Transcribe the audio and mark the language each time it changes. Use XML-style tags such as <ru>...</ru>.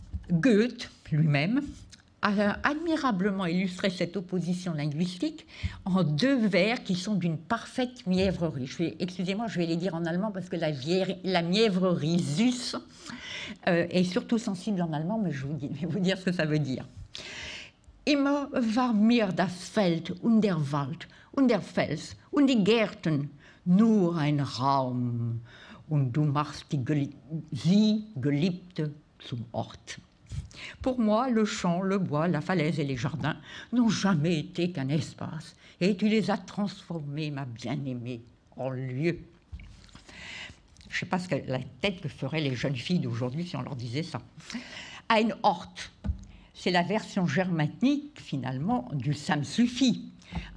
<fr>Goethe lui-même a admirablement illustré cette opposition linguistique en deux vers qui sont d'une parfaite mièvrerie. Excusez-moi, je vais les dire en allemand parce que la mièvrerie sus est surtout sensible en allemand, mais je vais vous dire ce que ça veut dire.</fr> <de>Immer war mir das Feld und der Wald und der Fels und die Gärten. Nur ein Raum und du machst sie geliebte zum Ort.</de> <fr>Pour moi, le champ, le bois, la falaise et les jardins n'ont jamais été qu'un espace et tu les as transformés, ma bien-aimée, en lieu. Je ne sais pas la tête que feraient les jeunes filles d'aujourd'hui si on leur disait ça. Ein Ort, c'est la version germanique, finalement, du « ça me suffit ».</fr>